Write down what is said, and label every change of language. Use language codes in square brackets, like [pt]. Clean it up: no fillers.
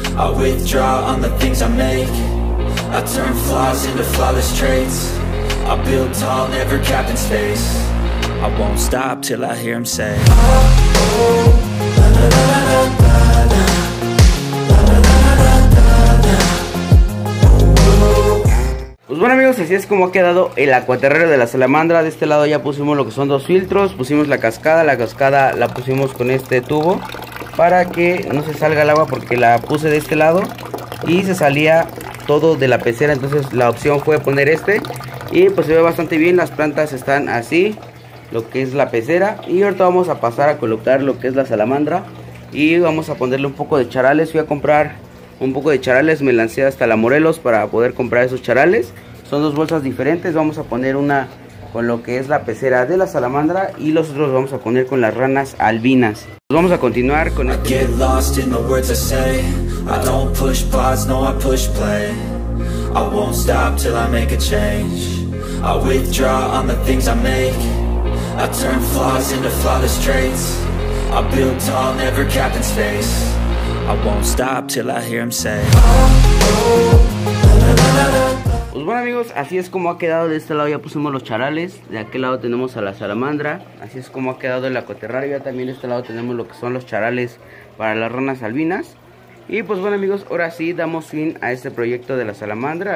[en] I withdraw on the things I make. I turn flaws into flawless traits. I build tall, never cap in space. I won't stop till I hear him say, oh, oh, la, la, la, la, la. [es] Pues bueno amigos, así es como ha quedado el acuaterrero de la salamandra. De este lado ya pusimos lo que son dos filtros, pusimos la cascada la pusimos con este tubo para que no se salga el agua, porque la puse de este lado y se salía todo de la pecera, entonces la opción fue poner este y pues se ve bastante bien, las plantas están así, lo que es la pecera, y ahorita vamos a pasar a colocar lo que es la salamandra y vamos a ponerle un poco de charales. Voy a comprar un poco de charales, me lancé hasta la Morelos para poder comprar esos charales. Son dos bolsas diferentes, vamos a poner una con lo que es la pecera de la salamandra y los otros vamos a poner con las ranas albinas. Pues vamos a continuar con [en] el... I get lost in the words I say. I don't push pause, no, I push play. I won't stop till I make a change. I withdraw on the things I make. I turn flaws into flawless traits. I build tall, never cap in space. I won't stop till I hear him say. [es] Pues bueno amigos, así es como ha quedado. De este lado ya pusimos los charales, de aquel lado tenemos a la salamandra. Así es como ha quedado el acoterrario. Ya también de este lado tenemos lo que son los charales para las ranas albinas. Y pues bueno amigos, ahora sí damos fin a este proyecto de la salamandra.